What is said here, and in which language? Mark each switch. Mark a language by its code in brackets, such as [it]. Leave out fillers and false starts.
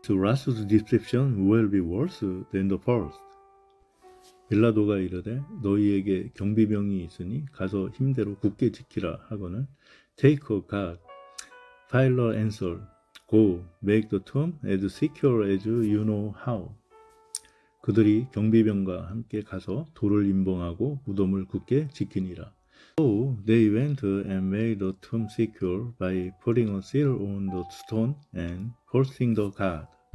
[en] The last deception will be worse than the first. [ko] 빌라도가 이르되 너희에게 경비병이 있으니 가서 힘대로 굳게 지키라 하거늘 [en] Take a guard. Pilate answered, Go, make the tomb as secure as you know how. [ko] 그들이 경비병과 함께 가서 돌을 임봉하고 무덤을 굳게 지키니라. [en] So they went and made the tomb secure by putting a seal on the stone and forcing the guard.